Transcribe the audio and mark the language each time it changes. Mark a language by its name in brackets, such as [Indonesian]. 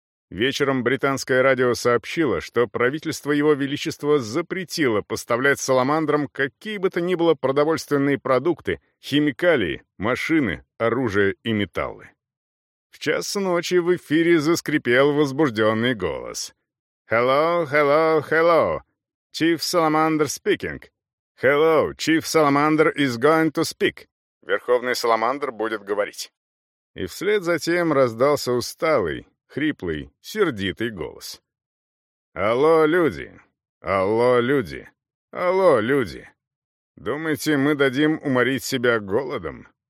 [Russian] Вечером британское радио сообщило, что правительство Его Величества запретило поставлять саламандрам какие бы то ни было продовольственные продукты, химикалии, машины, оружие и металлы. В час ночи в эфире заскрипел возбужденный голос. [English] «Hello, hello, hello! Chief Salamander speaking! Hello, Chief Salamander is going to speak!» [Russian] Верховный Саламандр будет говорить. И вслед за тем раздался усталый, хриплый, сердитый голос. «Алло, люди! Алло, люди! Алло, люди! Думаете, мы дадим уморить себя голодом?